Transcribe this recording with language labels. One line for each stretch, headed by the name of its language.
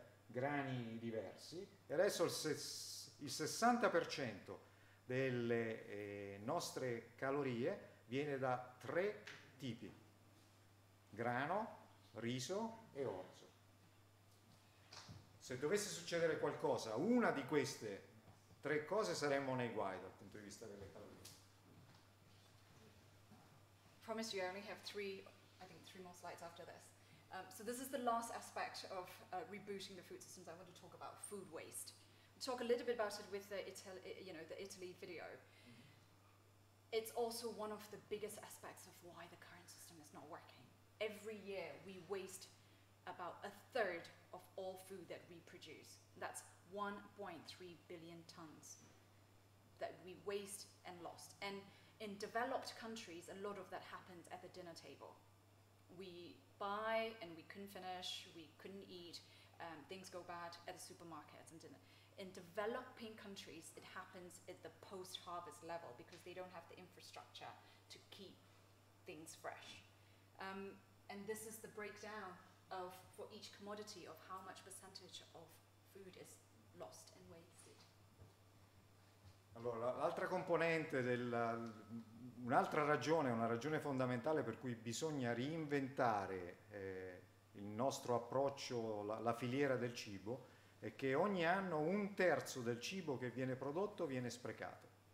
Italian: grani diversi, e adesso il 60% delle nostre calorie viene da tre tipi: grano, riso e orzo. Se dovesse succedere qualcosa, una di queste tre cose, saremmo nei guai dal punto di vista delle calorie.
English: I promise you I only have three more slides after this. So this is the last aspect of rebooting the food systems. I want to talk about food waste. We'll talk a little bit about it with the Italy video. It's also one of the biggest aspects of why the current system is not working. Every year we waste about a third of all food that we produce. That's 1.3 billion tons that we waste and lost. And in developed countries, a lot of that happens at the dinner table. We buy and we couldn't finish, we couldn't eat, things go bad at the supermarkets and dinner. In developing countries, it happens at the post-harvest level because they don't have the infrastructure to keep things fresh. And this is the breakdown of for each commodity of how much percentage of food is lost and wasted.
Italian: Allora, l'altra componente, un'altra ragione, una ragione fondamentale per cui bisogna reinventare il nostro approccio, la filiera del cibo, è che ogni anno un terzo del cibo che viene prodotto viene sprecato.